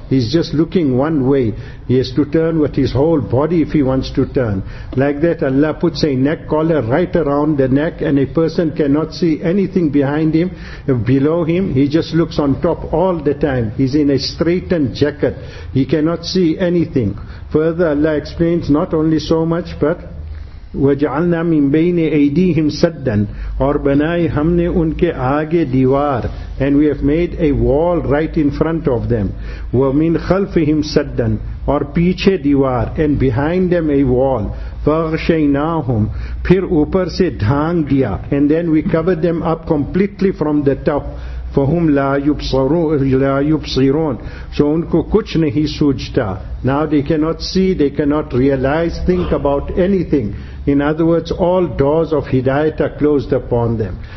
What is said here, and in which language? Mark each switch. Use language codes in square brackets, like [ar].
[en] He's just looking one way. He has to turn with his whole body if he wants to turn. Like that, Allah puts a neck collar right around the neck, and a person cannot see anything behind him, below him. He just looks on top all the time. He's in a straitened jacket. He cannot see anything. Further, Allah explains not only so much, but [ar] وَجَعَلْنَا مِنْ بَيْنِ أَيْدِيهِمْ سَدًّا [ur] اور بنائے ہم نے ان کے آگے دیوار. [en] And we have made a wall right in front of them. [ar] وَمِنْ خَلْفِهِمْ سَدًّا [ur] اور پیچھے دیوار. [en] And behind them a wall. [ar] فَغْشَيْنَاهُمْ [ur] پھر اوپر سے ڈھانگ دیا. [en] And then we covered them up completely from the top. [ar] فَهُمْ لَا يُبْصِرُونَ [en] So [ur] unko kuch nahi sujta. [en] Now they cannot see, they cannot realize, think about anything. In other words, all doors of hidayat are closed upon them.